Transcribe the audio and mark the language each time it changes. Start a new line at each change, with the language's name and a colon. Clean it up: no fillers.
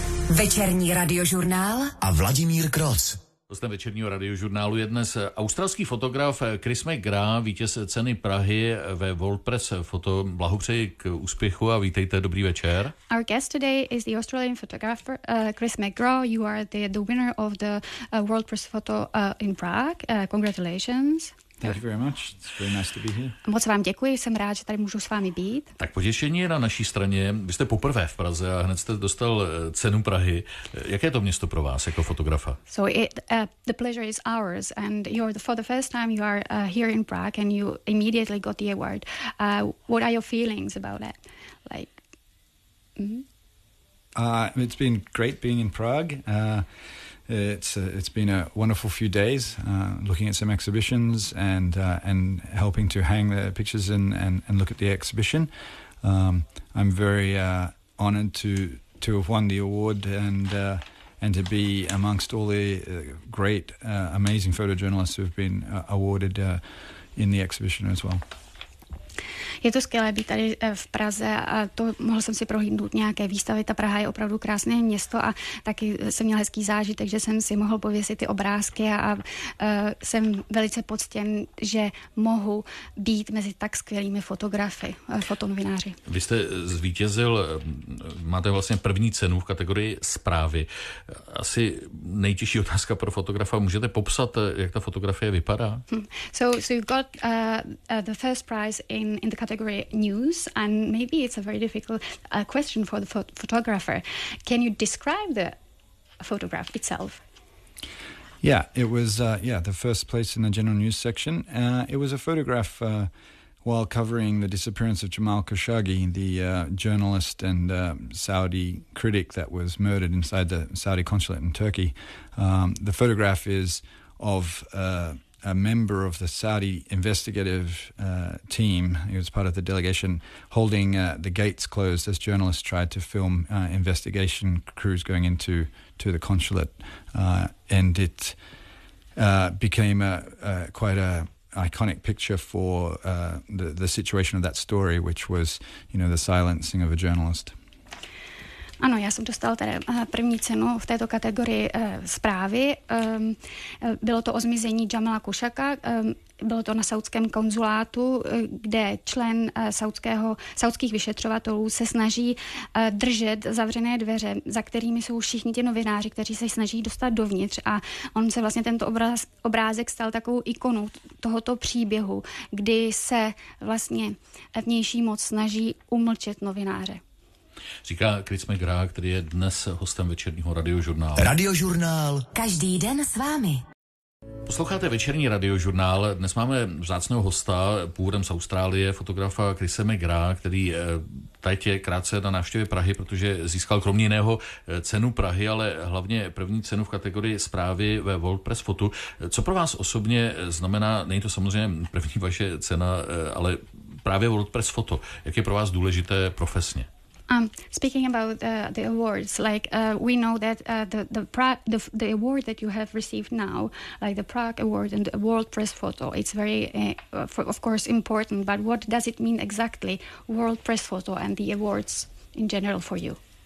Czech: Večerní radiožurnál a Vladimír Kroc. Hostem večerního radiožurnálu je dnes australský fotograf Chris McGrath, vítěz ceny Prahy ve World Press Photo. Blahopřeji k úspěchu a vítejte, dobrý večer.
English: Our guest today is the Australian photographer Chris McGrath. You are the winner of the World Press Photo in Prague. Congratulations. Thank you very much. It's very nice to be here.
Czech: Moc vám děkuji, jsem rád, že tady můžu s vámi být. Tak potěšení je na naší straně. Vy jste poprvé v Praze a hned jste dostal cenu Prahy. Jaké je to město pro vás jako fotografa?
English: So the pleasure is ours and you're for the first time you are here in Prague and you immediately got the award. What are your feelings about it? Like It's been great being in Prague. It's been a wonderful few days looking at some exhibitions and helping to hang the pictures and look at the exhibition. I'm very honored to have won the award and to be amongst all the great amazing photojournalists who have been awarded in the exhibition as well.
Czech: Je to skvělé být tady v Praze a to mohl jsem si prohlídnout nějaké výstavy. Ta Praha je opravdu krásné město a taky jsem měl hezký zážitek, že jsem si mohl pověsit ty obrázky a jsem velice poctěn, že mohu být mezi tak skvělými fotografy, fotonovináři. Vy jste zvítězil, máte vlastně první cenu v kategorii zprávy. Asi nejtěžší otázka pro fotografa. Můžete popsat, jak ta fotografie vypadá?
English: So you've got the first prize in the category news, and maybe it's a very difficult question for the photographer. Can you describe the photograph itself? Yeah, it was the first place in the general news section. It was a photograph while covering the disappearance of Jamal Khashoggi, the journalist and Saudi critic that was murdered inside the Saudi consulate in Turkey. The photograph is of a member of the Saudi investigative team. He was part of the delegation holding the gates closed as journalists tried to film investigation crews going into the consulate. And it became quite a iconic picture for the situation of that story, which was, you know, the silencing of a journalist.
Czech: Ano, já jsem dostal tady první cenu v této kategorii zprávy. Bylo to o zmizení Jamala Khashoggiho. Bylo to na saudském konzulátu, kde člen saudských vyšetřovatelů se snaží držet zavřené dveře, za kterými jsou všichni ti novináři, kteří se snaží dostat dovnitř. A on se vlastně tento obrázek stal takovou ikonou tohoto příběhu, kdy se vlastně vnější moc snaží umlčet novináře. Říká Chris McGrath, který je dnes hostem večerního radiožurnálu. Radiožurnál. Každý den s vámi. Posloucháte večerní radiožurnál. Dnes máme vzácného hosta, původem z Austrálie, fotografa Chrise McGrath, který teď je krátce na návštěvě Prahy, protože získal kromě jiného cenu Prahy, ale hlavně první cenu v kategorii zprávy ve World Press Photo. Co pro vás osobně znamená, není to samozřejmě první vaše cena, ale právě World Press Photo. Jak je pro vás důležité profesně?
English: Speaking about the awards, like we know that the award that you have received now, like the Prague Award and the World Press Photo, it's very, of course, important. But what does it mean exactly, World Press Photo and the awards in general for you?